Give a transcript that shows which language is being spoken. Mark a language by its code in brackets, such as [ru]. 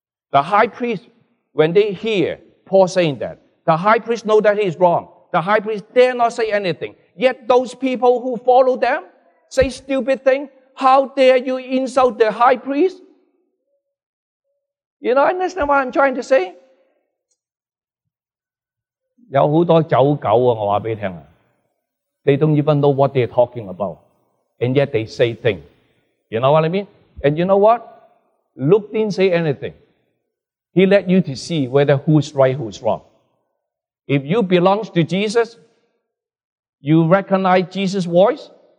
[en] The high priest, when they hear Paul saying that, the high priest know that he's wrong. The high priest dare not say anything. Yet those people who follow them say stupid things. How dare you insult the high priest? You know, understand what I'm trying to say? [zh] 有很多走狗啊，我告诉你。 [en] They don't even know what they're talking about. And yet they say things. You know what I mean? And you know what? Luke didn't say anything. He let you to see whether who's right, who's wrong. If you belong to Jesus, you recognize Jesus' voice.